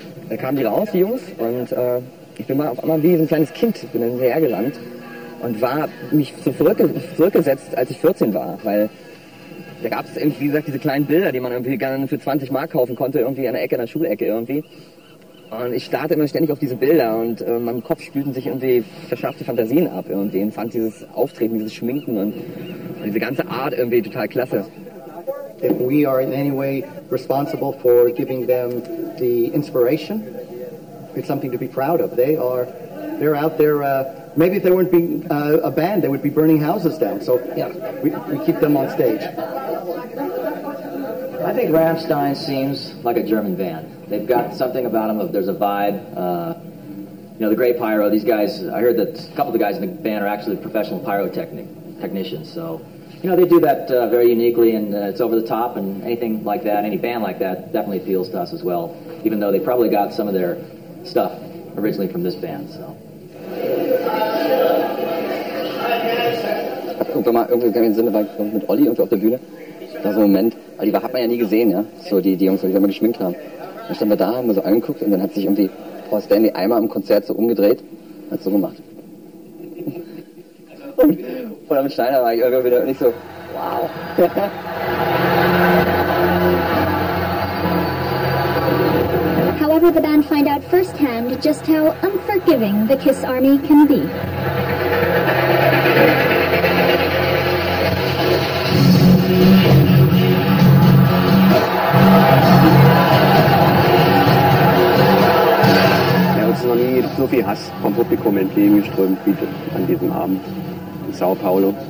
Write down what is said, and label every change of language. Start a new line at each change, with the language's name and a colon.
German: Da kamen die raus, die Jungs, und ich bin mal auf einmal wie so ein kleines Kind, bin dann hierher gelangt und war mich so zurückgesetzt, als ich 14 war, weil da gab es irgendwie, wie gesagt, diese kleinen Bilder, die man irgendwie gerne für 20 Mark kaufen konnte, irgendwie an der Ecke, an der Schulecke irgendwie. Und ich starrte immer ständig auf diese Bilder und in meinem Kopf spülten sich irgendwie verschärfte Fantasien ab irgendwie und fand dieses Auftreten, dieses Schminken und diese ganze Art irgendwie total klasse.
English: If we are in any way responsible for giving them the inspiration, it's something to be proud of. They are, they're out there, maybe if they weren't being a band, they would be burning houses down. So, yeah, we keep them on stage. I think Rammstein seems like a German band. They've got something about them, there's a vibe. You know, the great pyro, these guys, I heard that a couple of the guys in the band are actually professional pyrotechnicians. So, you know, they do that very uniquely, and it's over the top, and anything like that, any band like that, definitely appeals to us as well, even though they probably got some of their stuff originally from this band, so.
German: Irgendwann mal, irgendwie kam ich in den Sinne, war ich mit Olli irgendwie auf der Bühne. Da so ein Moment, aber die hat man ja nie gesehen, ja? So die Jungs, die immer geschminkt haben. Dann standen wir da, haben wir so angeguckt und dann hat sich irgendwie Paul Stanley einmal im Konzert so umgedreht und hat so gemacht. Und vor allem mit Steiner war ich irgendwie wieder nicht so, wow.
English: However, the band find out firsthand just how unforgiving the Kiss Army can be.
German: Noch nie so viel Hass vom Publikum entgegengeströmt wie an diesem Abend in Sao Paulo.